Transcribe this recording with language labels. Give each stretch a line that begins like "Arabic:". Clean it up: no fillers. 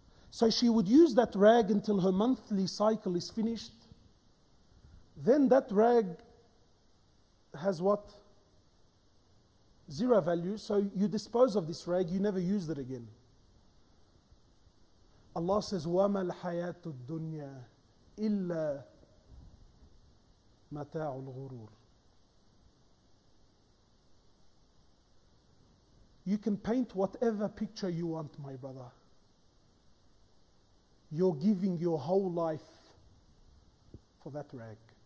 English: So she would use that rag until her monthly cycle is finished. Then that rag has what? Zero value. So you dispose of this rag, you never use it again.
Arabic: Allah says, وَمَا الْحَيَاةُ الدُّنْيَا إِلَّا مَتَاعُ الْغُرُورِ.
English: You can paint whatever picture you want, my brother. You're giving your whole life for that rag.